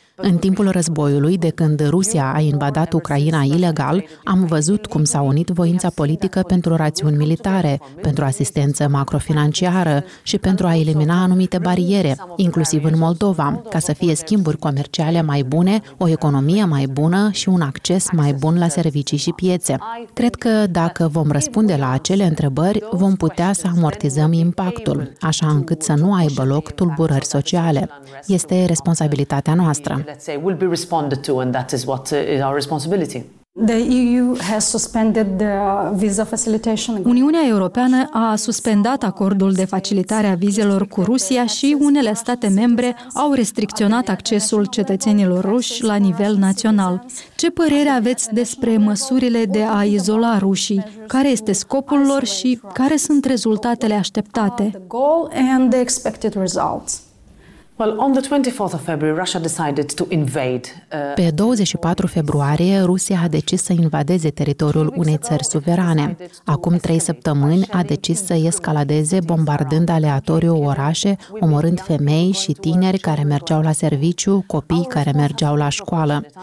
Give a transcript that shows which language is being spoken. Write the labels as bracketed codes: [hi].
[ro] În timpul războiului, de când Rusia a invadat Ucraina ilegal, am văzut cum s-a unit voința politică pentru rațiuni militare, pentru asistență macrofinanciară și pentru a elimina anumite bariere, inclusiv în Moldova, ca să fie schimburi comerciale mai bune, o economie mai bună și un acces mai bun la servicii și piețe. Cred că dacă vom răspunde la acele întrebări, vom putea să amortizăm impactul, așa încât să nu aibă loc tulburări sociale. Este responsabilitatea noastră. [en] Let's say will be responded to, and that is what is our responsibility. The EU has suspended the visa facilitation. [ro] Uniunea Europeană a suspendat acordul de facilitare a vizelor cu Rusia și unele state membre au restricționat accesul cetățenilor ruși la nivel național. Ce părere aveți despre măsurile de a izola rușii? Care este scopul lor și care sunt rezultatele așteptate? [en] The goal and the expected results. Well, on the 24th of February, Russia decided to invade. [ro] Pe 24 februarie, Rusia a decis să invadeze teritoriul unei țări suverane. Acum 3 săptămâni a decis să escaladeze bombardând aleatoriu orașe, omorând femei și tineri care mergeau la serviciu, copii care mergeau la școală.